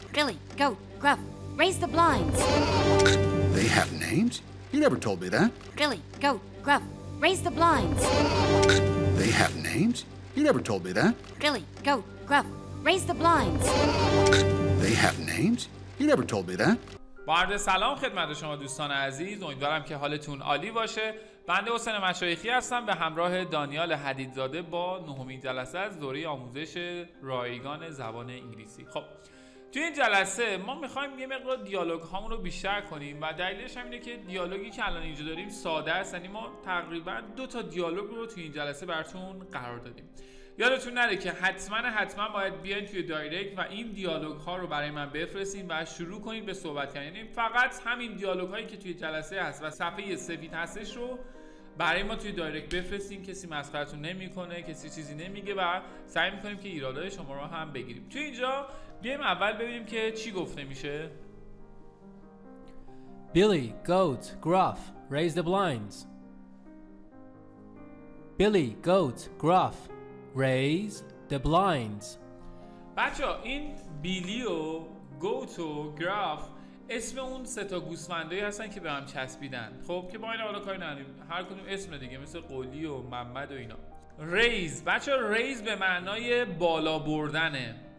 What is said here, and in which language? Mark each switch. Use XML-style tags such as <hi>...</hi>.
<en>Billy, go, Gruff, raise the blinds. They have names? You never told me that. Billy, go, Gruff, raise the blinds. They have names? You never told me that. Billy, go, Gruff, raise the blinds. They have names? You never told me that.</en> <fa>با عرض سلام خدمت شما دوستان عزیز، امیدوارم که حالتون عالی باشه. بنده حسین مشایخی هستم به همراه دانیال حدیدزاده با نهمین جلسه از دوره آموزش رایگان زبان انگلیسی. خب تو این جلسه ما میخوایم یه مقدار دیالوگ هامون رو بیشتر کنیم و دلیلش هم اینه که دیالوگی که الان اینجا داریم ساده است، یعنی ما تقریبا دو تا دیالوگ رو تو این جلسه براتون قرار دادیم. یادتون نره که حتما باید بیاین توی دایرکت و این دیالوگ ها رو برای من بفرستین و شروع کنین به صحبت کردن. یعنی فقط همین دیالوگ هایی که توی جلسه هست و صفحه سفید هستش رو برای ما توی دایرکت بفرستین. کسی مسخرتون نمیکنه، کسی چیزی نمیگه و سعی میکنیم که ایرادای شما رو هم بگیریم. توی اینجا بیایم اول ببینیم که چی گفته میشه.</fa> <en>Billy, goat, gruff, raise the blinds. Billy, goat, gruff, raise the blinds.</en> <fa>بچه ها این بیلی و گوت و گراف اسم اون سه تا گوسفندایی هستن که به هم چسبیدن. خب که با این حالا کاری نداریم، هر کدوم اسم دیگه مثل قلی و محمد و اینا. ریز بچه، ریز به معنای بالا بردنه.</fa>